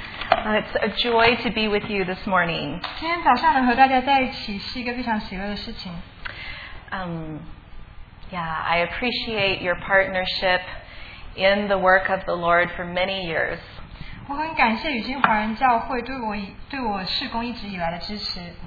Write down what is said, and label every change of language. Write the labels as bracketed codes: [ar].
[en] It's a joy to be with you this morning. [zh] 今天早上能和大家在一起是一个非常喜乐的事情。 [en] I appreciate your partnership in the work of the Lord for many years. [zh] 我很感谢与经华人教会对我事工一直以来的支持。